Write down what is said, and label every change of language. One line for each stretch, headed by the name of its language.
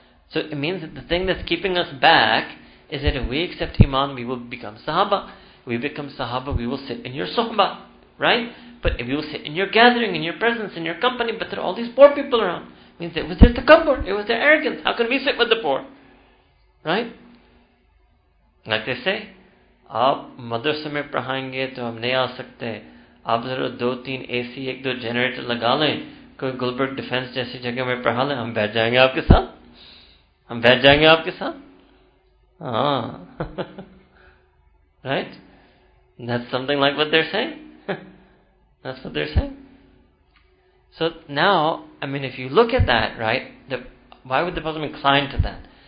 English: So it means that the thing that's keeping us back is that if we accept Iman, we will become Sahaba. We become Sahaba, we will sit in your Sohba, right? But if we will sit in your gathering, in your presence, in your company, but there are all these poor people around. It means it was their takabbur, it was their arrogance. How can we sit with the poor? Right?
Urdu: Like they say, آپ مدرسہ میں پڑھائیں گے تو ہم نہیں آ سکتے. آپ ذرا دو تین اے سی, ایک دو جنریٹر لگا لیں. کوئی گلبرگ ڈیفنس جیسی جگہ میں پڑھا لیں. Hum baith jayenge aapke saath.
English: Right? That's something like what they're saying. That's what they're saying. So now, I mean, if you look at that, right, why would the Prophet incline to that?